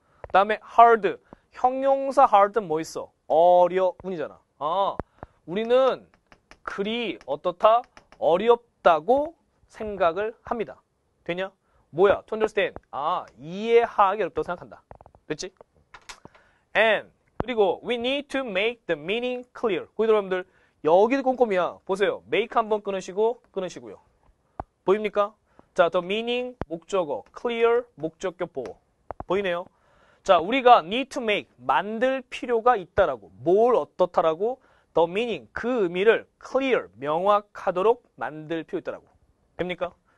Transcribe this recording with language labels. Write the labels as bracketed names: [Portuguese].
[Korean] 그 다음에 hard, 형용사 hard는 뭐 있어? 어려운이잖아. 아, 우리는 글이 어떻다? 어렵다고 생각을 합니다. 되냐? 뭐야? [English] To understand. [Korean] 아, 이해하기 어렵다고 생각한다. 됐지? [English] And, [Korean] 그리고 [English] we need to make the meaning clear. [Korean] 거기 여러분들, 여기도 꼼꼼이야. 보세요. make 한번 끊으시고, 끊으시고요. 보입니까? 자, the meaning, 목적어, clear, 목적격 보호. 보이네요? 자, 우리가 [English] need to make, [Korean] 만들 필요가 있다라고, 뭘 어떻다라고, the meaning, 그 의미를 clear, 명확하도록 만들 필요 있다라고. 됩니까?